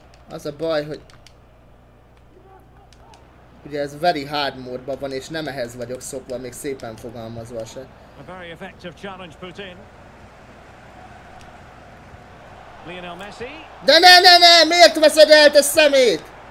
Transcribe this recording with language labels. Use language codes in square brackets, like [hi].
[hu] Az a baj, hogy ugye ez [en] very hard [hu] módban van, és nem ehhez vagyok szokva, még szépen fogalmazva se. [en] A very effective challenge put in. Lionel Messi. [hu] De ne, miért veszed el te szemét?